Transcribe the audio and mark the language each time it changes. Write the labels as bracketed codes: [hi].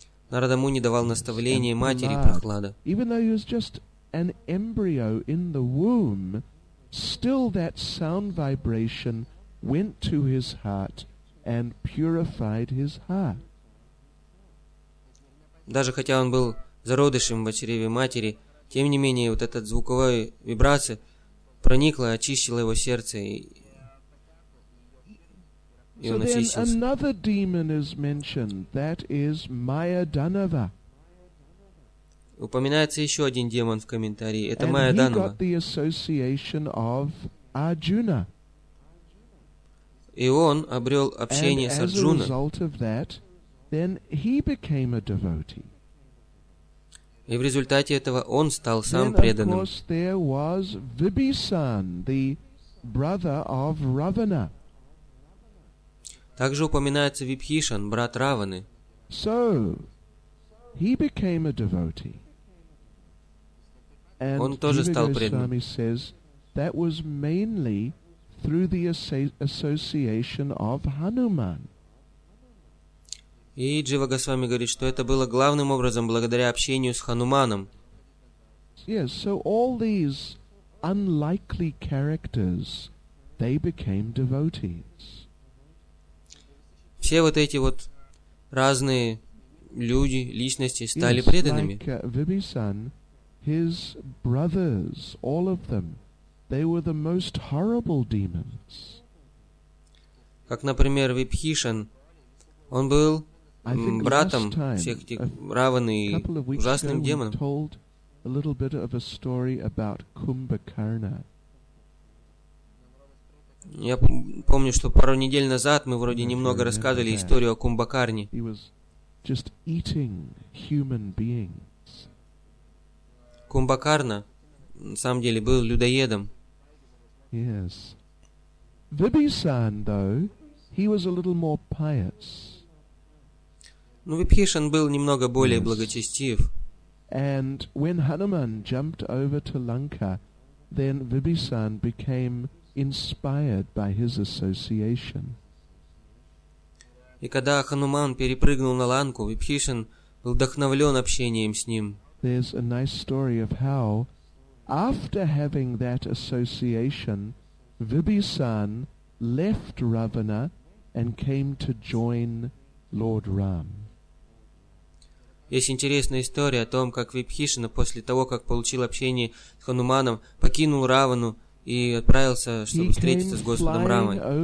[ru] Нарада Муни давал наставление матери Прохлада. [en] Even though he was just an embryo in the womb, still that sound vibration went to his heart and purified his heart. [ru] Даже хотя он был зародышем в чреве матери, тем не менее, вот эта звуковая вибрация проникла и очистила его сердце, и он очистился. [en] So another demon is mentioned, that is Maya Danava. [ru] Упоминается еще один демон в комментарии, это Майя Данава. [en] And he got the association of Arjuna. [ru] И он обрел общение с [en] Арджуной. Then he became a devotee. [ru] И в результате этого он стал сам преданным. [en] Then, of course, there was Vibhisan, the brother of Ravana. [ru] Также упоминается Вибхишан, брат Раваны. [en] So, he became a devotee. And [ru] он тоже стал преданным. [en] Goswami says that was mainly through the association of Hanuman. [ru] И Джива Госвами говорит, что это было главным образом благодаря общению с Хануманом. [en] Yes, so all these unlikely characters, they became devotees. [ru] Все вот эти вот разные люди, личности стали преданными. [en] Like, Vibhishan, his brothers, all of them, they were the most horrible demons. [ru] Как, например, Vibhishan, он был братом всех этих Раваны и ужасным демоном. [en] A little bit of a story about Kumbhakarna. [ru] Я помню, что пару недель назад мы вроде немного рассказывали историю о Кумбхакарне. [en] He was just eating human beings. [ru] Кумбхакарна на самом деле был людоедом. [en] Yes. Vibhishan, though, he was a little more pious. [ru] Ну, Vibhishan был немного более благочестив. [en] And when Hanuman jumped over to Lanka, then Vibhishan became inspired by his association. [ru] И когда Хануман перепрыгнул на Ланку, Vibhishan был вдохновлен общением с ним. [en] There's a nice story of how, after having that association, Vibhishan left Ravana and came to join Lord Ram. [ru] Есть интересная история о том, как Vibhishan после того, как получил общение с Хануманом, покинул Равану и отправился, чтобы встретиться с Господом Рамой.